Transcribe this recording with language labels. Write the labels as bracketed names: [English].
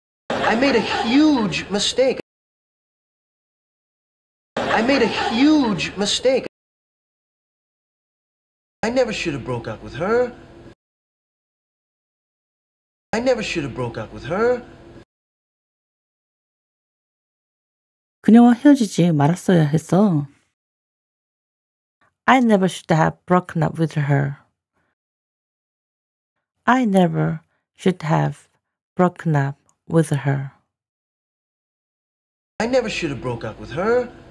[English] I made a huge mistake. I made a huge mistake. I never should have broke up with her. I never should have broke up with her. [Korean] 그녀와 헤어지지 말았어야 했어. [English] I never should have broken up with her. I never should have broken up with her. I never should have broke up with her.